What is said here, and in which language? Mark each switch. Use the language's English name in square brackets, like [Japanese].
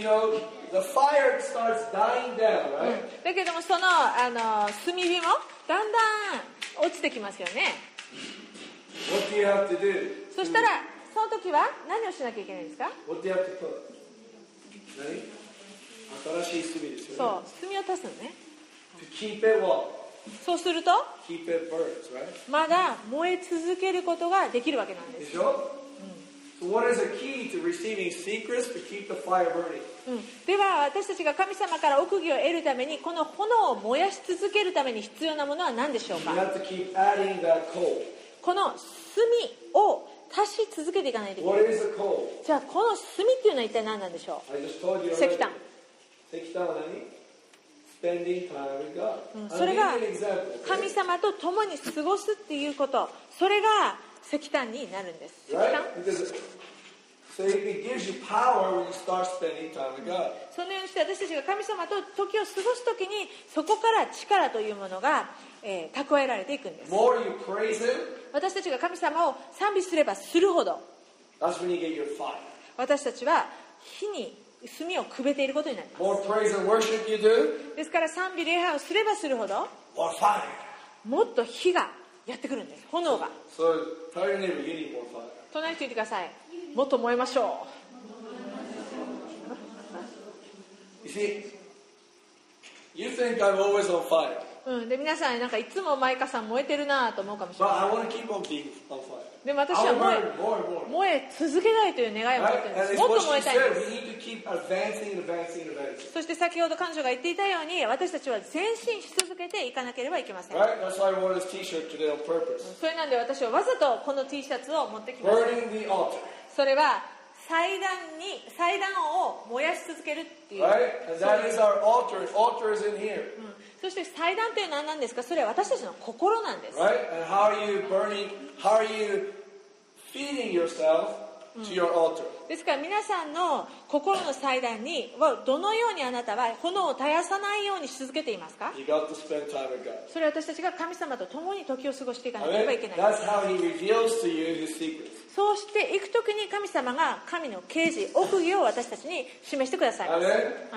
[English] So, you know,The fire starts dying down, right? [Japanese] だけどもその、炭火もだんだん落ちてきますよね。 [English] What do you have to do? [Japanese] そしたらその時は何をしなきゃいけないんですか。 [English] What do you have to put? [Japanese] 何？新しい炭ですよね。そう、炭を足すのね。 [English] To keep it warm. [Japanese] そうすると [English] Keep it burns, right? [Japanese] まだ燃え続けることができるわけなんです。でしょ？ [English] What is the key to receiving secrets to keep the fire burning? [Japanese] では私たちが神様から奥義を得るためにこの炎を燃やし続けるために必要なものは何でしょうか。 [English] You have to keep adding that coal. [Japanese] この炭を足し続けていかないといけない。 [English] What is the coal? [Japanese] じゃあこの炭っていうのは一体何なんでしょう。 [English] I just told you [Japanese] 石炭。石炭は何？ [English] Spending time with God. [Japanese] それが神様と共に過ごすっていうこと。それが石炭になるんです。石炭。Right? そのようにして私たちが神様と時を過ごすときにそこから力というものが、蓄えられていくんです。 [English] More you praise him, [Japanese] 私たちが神様を賛美すればするほど [English] that's when you get your fire. [Japanese] 私たちは火に炭をくべていることになります。 [English] More praise and worship you do, [Japanese] ですから賛美礼拝をすればするほど [English] more fire. [Japanese] もっと火がやってくるんです。炎が。 [English] So, tell your neighbor, you need more fire. [Japanese] 隣に言ってください。もっと燃えましょう。 [English] You see, you think I'm always on fire. [Japanese] で皆さん、なんかいつもマイカさん燃えてるなと思うかもしれない。 [English] But I want to keep on being on fire. [Japanese] でも私は燃え続けないという願いを持っています。もっと燃えたいです。 [English] We need to keep advancing, advancing, advancing. [Japanese] そして先ほど彼女が言っていたように、私たちは前進し続けていかなければいけません。 [English] Right? That's why I wore this T-shirt today on purpose. [Japanese] それなんで私はわざとこの T シャツを持ってきました。 [English] Burning the altar. [Japanese] それは祭壇を燃やし続けるっていう。 [English] Right? And that is our altar. Altar is in here. [Japanese] そして祭壇というのは何なんですか？それは私たちの心なんです。 [English] Right? And how are you burning? How are you feeding yourself to your altar? [Japanese] ですから皆さんの心の祭壇にどのようにあなたは炎を絶やさないようにし続けていますか？ [English] You got to spend time with God. [Japanese] それは私たちが神様と共に時を過ごしていかなければいけない。 [English] That's how He reveals to you His secrets. [Japanese] そうして行くときに神様が神の啓示奥義を私たちに示してくださいます。